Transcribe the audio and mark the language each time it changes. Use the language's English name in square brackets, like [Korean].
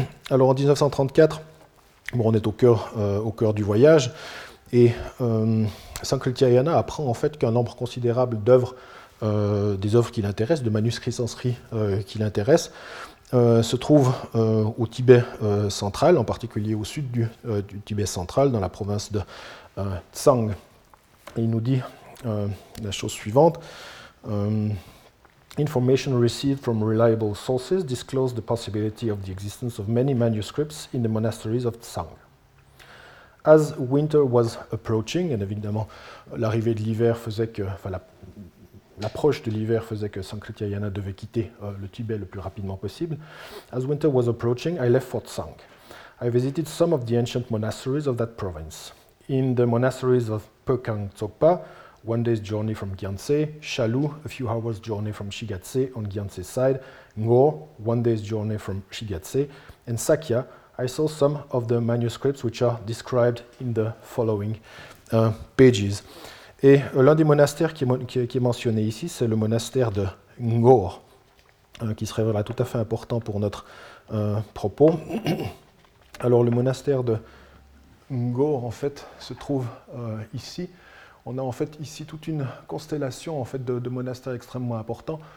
[French] Alors en 1934, bon, on est au cœur du voyage, et Sankritya Yana apprend en fait qu'un nombre considérable d'œuvres des œuvres qui l'intéressent, de manuscrits sanskrits qui l'intéressent, se trouvent au Tibet central, en particulier au sud du Tibet central, dans la province de Tsang. Et il nous dit la chose suivante. [English] Information received from reliable sources disclosed the possibility of the existence of many manuscripts in the monasteries of Tsang. As winter was approaching, [French] et évidemment l'arrivée de l'hiver faisait que... L'approche de l'hiver faisait que Sankritya Yana devait quitter le Tibet le plus rapidement possible. [English] As winter was approaching, I left for Tsang. I visited some of the ancient monasteries of that province. In the monasteries of Pekang Tsokpa, one day's journey from Gyantse, Shalu, a few hours journey from Shigatse on Gyantse side, Ngor, one day's journey from Shigatse, and Sakya, I saw some of the manuscripts which are described in the following pages. [French] Et l'un des monastères qui est mentionné ici, c'est le monastère de Ngor, qui serait voilà, tout à fait important pour notre propos. Alors le monastère de Ngor, en fait, se trouve ici. On a en fait ici toute une constellation en fait, de monastères extrêmement importants.